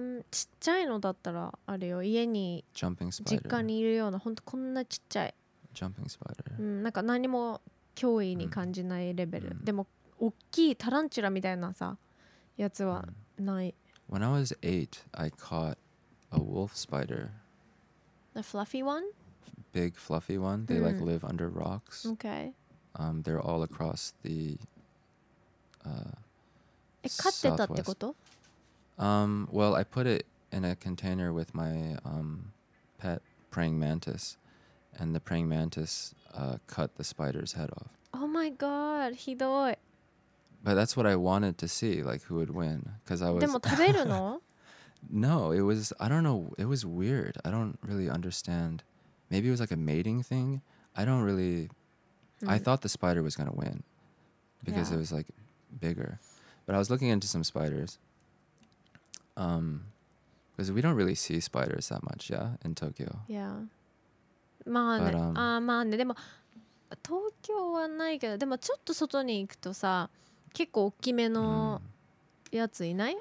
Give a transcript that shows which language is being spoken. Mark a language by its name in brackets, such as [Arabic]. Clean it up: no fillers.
[Japanese] ちっちゃいのだったらあるよ家に実家にいるような本当こんなちっちゃい [English] Jumping spider、 [Japanese] うん、なんか何も脅威に感じないレベル、mm. でも大きいタランチュラみたいなさやつはない、 mm. [English] When I was 8 I caught a wolf spider The fluffy one? Big fluffy one They、mm. like live under rocks Okay、 They're all across the、 [Japanese] え飼ってたってこと? [English] Well, I put it in a container with my pet praying mantis, and the praying mantis cut the spider's head off. Oh my god, [Japanese] ひどい。 [English] But that's what I wanted to see, like who would win, because I was. [Japanese] でも食べるの? [English] No, it was. I don't know. It was weird. I don't really understand. Maybe it was like a mating thing. I don't really. Mm. I thought the spider was gonna win, because、yeah. it was like bigger. But I was looking into some spiders. Because we don't really see spiders that much, yeah, in Tokyo. Yeah. [Japanese] まあね、あまあね、でも東京はないけど、でもちょっと外に行くとさ、結構大きめのやついない？